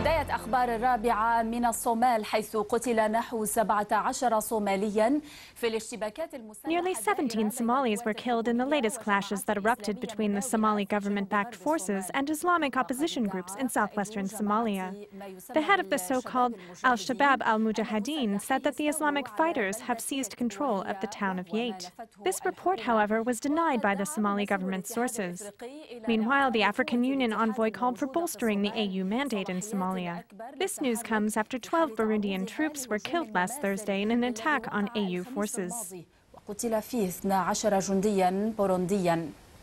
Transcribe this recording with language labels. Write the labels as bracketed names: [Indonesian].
[Arabic] أخبار الرابعة من الصومال حيث قتل نحو 17 صوماليا في الاشتباكات المسلحة. [English] Nearly 17 Somalis were killed in the latest clashes that erupted between the Somali government-backed forces and Islamic opposition groups in southwestern Somalia. The head of the so-called Al-Shabaab al-Mujahideen said that the Islamic fighters have seized control of the town of Yait. This report, however, was denied by the Somali government sources. Meanwhile, the African Union envoy called for bolstering the AU mandate in Somalia. This news comes after 12 Burundian troops were killed last Thursday in an attack on AU forces. [Arabic] وقتل فيه 12 جنديا بورونديا.